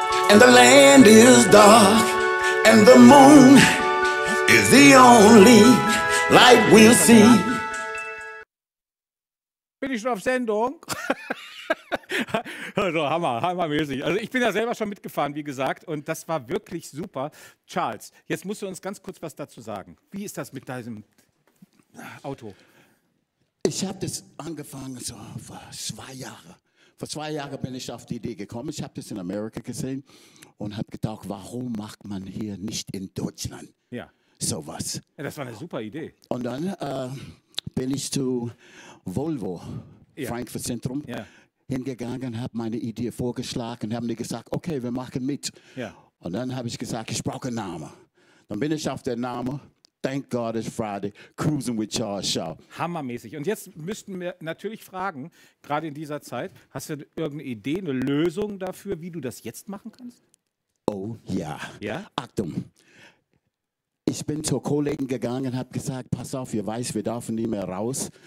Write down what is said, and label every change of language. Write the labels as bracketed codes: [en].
[en] And the land is dark, and the moon is the only light we'll see. [de] Bin ich schon auf Sendung? Also Hammer, hammermäßig. Also ich bin ja selber schon mitgefahren, wie gesagt, und das war wirklich super. Charles, jetzt musst du uns ganz kurz was dazu sagen. Wie ist das mit deinem Auto? Ich habe das angefangen so vor 2 Jahren. Vor 2 Jahren bin ich auf die Idee gekommen. Ich habe das in Amerika gesehen und habe gedacht, warum macht man hier nicht in Deutschland sowas? Ja, das war eine super Idee. Und dann bin ich zu Volvo, Frankfurt Zentrum, hingegangen, habe meine Idee vorgeschlagen, haben die gesagt, okay, wir machen mit. Ja. Und dann habe ich gesagt, ich brauche einen Namen. Dann bin ich auf den Namen. [en] Thank God it's Friday, cruising with Charles Shaw. [de] Hammermäßig. Und jetzt müssten wir natürlich fragen, gerade in dieser Zeit, hast du irgendeine Idee, eine Lösung dafür, wie du das jetzt machen kannst? Oh ja. Ja? Achtung. Ich bin zur Kollegin gegangen und habe gesagt, pass auf, ihr weiß, wir dürfen nicht mehr raus.